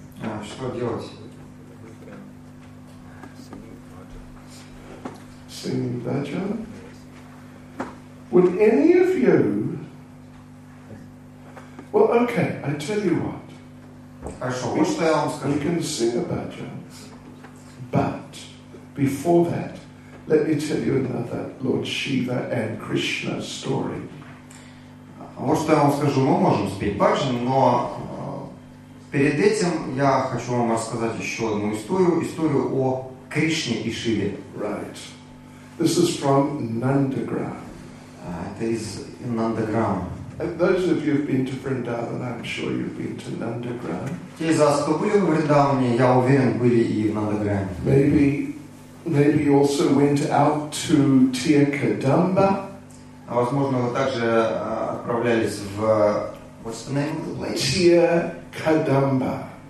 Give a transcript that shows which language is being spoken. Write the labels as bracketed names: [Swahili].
[Russian] А, что делать? [English] Singing bhajan? Would any of you... Well, okay, I tell you what. [Russian] Хорошо, вот что я вам скажу. [English] We can sing a bhajan, but before that, let me tell you another Lord Shiva and Krishna story. [Russian] Вот что я вам скажу. Мы можем спеть баджан, но перед этим я хочу вам рассказать еще одну историю. Историю о Кришне и Шиве. [English] Right. This is from Nandagram. [Russian] Это из Нандаграма. [English] And those of you who have been to Vrindavan, I'm sure you've been to Nandagram. [Russian] Те из вас, кто были в Вриндаване, я уверен, были и в Нандаграме. [English] Maybe you also went out to Tirukadamba. [Russian] А возможно вы также отправлялись в [English] what's the name of the place? Tirukadamba.